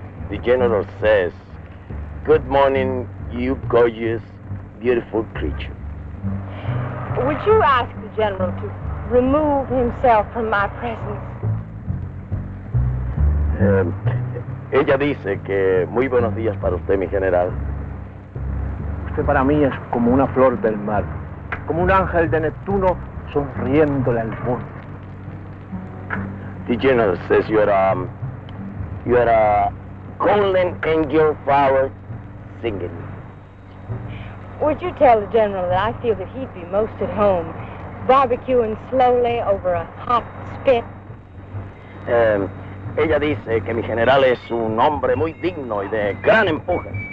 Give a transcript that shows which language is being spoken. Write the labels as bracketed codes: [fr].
[en] The general says, good morning, you gorgeous, beautiful creature. Would you ask the general to remove himself from my presence? [es] Ella dice que muy buenos días para usted, mi general. Usted para mí es como una flor del mar, como un ángel de Neptuno sonriéndole al mundo. [en] The general says you are a golden angel flower singing. Would you tell the general that I feel that he'd be most at home barbecuing slowly over a hot spit? [es] Ella dice que mi general es un hombre muy digno y de gran empuje.